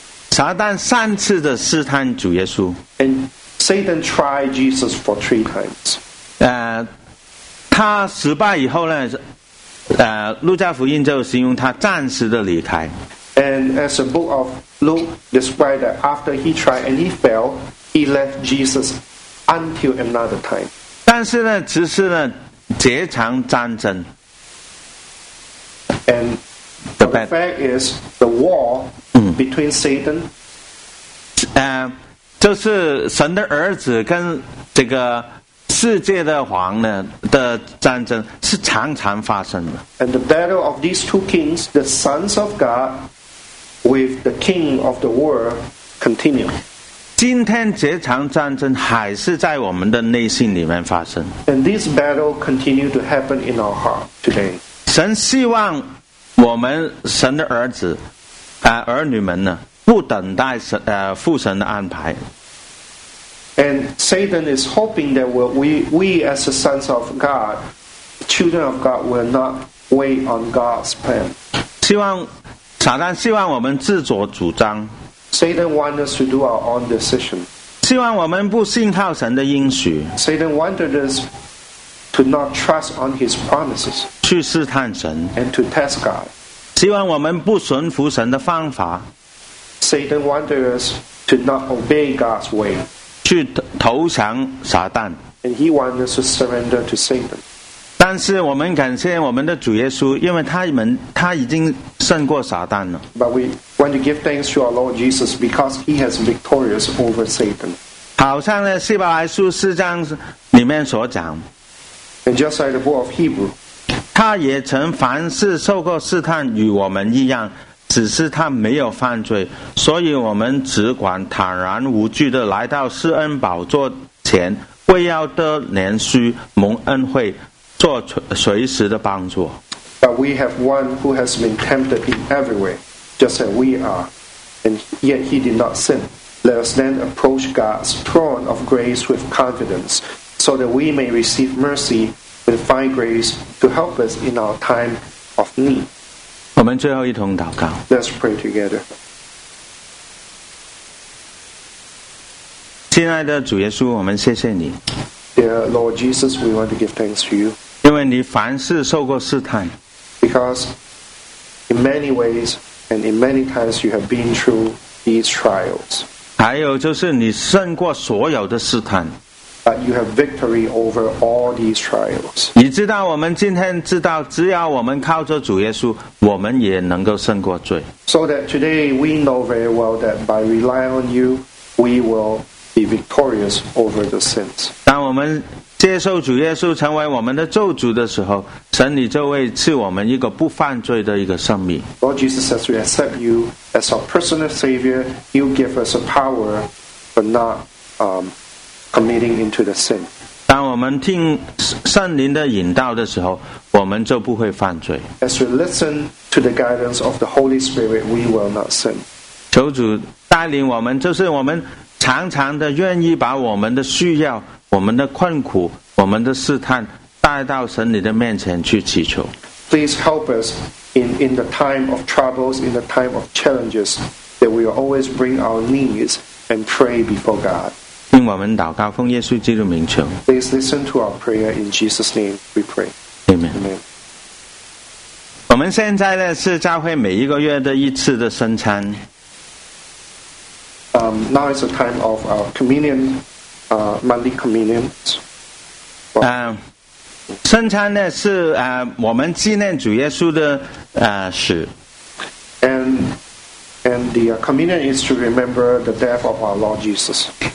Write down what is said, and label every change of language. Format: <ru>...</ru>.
<zh>撒旦三次的试探主耶稣。</zh> <en>And Satan tried Jesus for 3 times.</en> <zh>他失败以后呢，路加福音就形容他暂时的离开。</zh> <en>And as the book of Luke described that after he tried and he failed, he left Jesus. Until another time.</en> <zh>但是呢，只是呢，这场战争。</zh> <en>And the fact is, the war between Satan.</en> <zh>就是神的儿子跟这个世界的王呢的战争是常常发生的。</zh> <en>And the battle of these two kings, the sons of God, with the king of the world, continue.</en> <zh>今天这场战争还是在我们的内心里面发生。</zh> <en>And this battle continue to happen in our heart today.</en> <zh>神希望我们神的儿子、儿女们呢，不等待神、父神的安排。</zh> <en>And Satan is hoping that we as the sons of God, children of God, will not wait on God's plan.</en> <zh>希望撒旦希望我们自作主张。</zh> <en>Satan wants us to do our own decision.</en> <zh>希望我们不信靠神的应许。</zh> <en>Satan wanted us to not trust on his promises.</en> <zh>去试探神。</zh> <en>And to test God.</en> <zh>希望我们不顺服神的方法。</zh> <en>Satan wanted us to not obey God's way.</en> <zh>去投降撒旦。</zh> <en>And he wanted us to surrender to Satan.</en> <zh>但是我们感谢我们的主耶稣，因为他已经胜过撒旦了。</zh> <en>But we. When you give thanks to our Lord Jesus because he has victorious over Satan.</en> <zh>好像呢，希伯来书四章里面所讲。</zh> <en>And just like the book of Hebrew.</en> <zh>他也曾凡事受过试探与我们一样，只是他没有犯罪，所以我们只管坦然无惧地来到施恩宝座前，为要得怜恤蒙恩惠，做随时的帮助。</zh> <en>But we have one who has been tempted in every way. Just as we are, and yet he did not sin. Let us then approach God's throne of grace with confidence, so that we may receive mercy and find grace to help us in our time of me.</en> <zh>我们最后一同祷告。</zh> <en>Let's pray together.</en> <zh>亲爱的主耶稣，我们谢谢你。</zh> <en>Dear Lord Jesus, we want to give thanks to you.</en> <zh>因为你凡事受过试探。</zh> <en>Because in many ways and in many times you have been through these trials.</en> <zh>还有就是你胜过所有的试探。</zh> <en>But you have victory over all these trials.</en> <zh>你知道我们今天知道只要我们靠着主耶稣我们也能够胜过罪。</zh> <en>So that today we know very well that by relying on you, we will be victorious over the sins.</en> <zh>当我们接受主耶稣成为我们的救主的时候神你就会赐我们一个不犯罪的一个生命。</zh> <en>Lord Jesus, as we accept you as our personal Savior, you give us a power for notcommitting into the sin.</en> <zh>当我们听圣灵的引导的时候我们就不会犯罪。</zh> <en>As we listen to the guidance of the Holy Spirit, we will not sin.</en> <zh>求主带领我们就是我们常常的愿意把我们的需要我们的困苦我们的试探带到神你的面前去祈求。</zh> <en>Please help us in the time of troubles, in the time of challenges, that we will always bring our knees and pray before God.</en> <zh>听我们祷告，奉耶稣基督名求。</zh> <en>Please listen to our prayer in Jesus' name. We pray. Amen. Amen.</en> <zh>我们现在呢是教会每一个月的一次的圣餐。</zh> <en>Now is the time of our communion, Monday communion.</en> <zh>圣餐呢是我们纪念主耶稣的死。</zh> <en>And the communion is to remember the death of our Lord Jesus.</en>